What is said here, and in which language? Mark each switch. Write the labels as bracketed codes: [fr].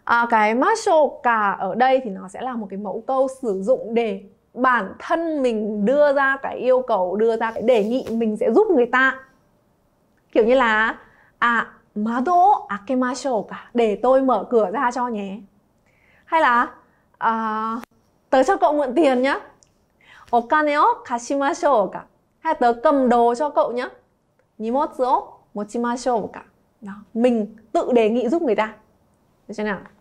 [vi] Cái masho cả ở đây thì nó sẽ là một cái mẫu câu sử dụng để bản thân mình đưa ra cái yêu cầu, đưa ra cái đề nghị mình sẽ giúp người ta. Kiểu như là [ja] mado akemasho cả, [vi] để tôi mở cửa ra cho nhé. Hay là tớ cho cậu mượn tiền nhé. [ja] お金を貸しましょうか。 [vi] Hay tớ cầm đồ cho cậu nhé. [ja] 荷物を持ちましょうか。 [vi] Đó. Mình tự đề nghị giúp người ta. Được chưa nào?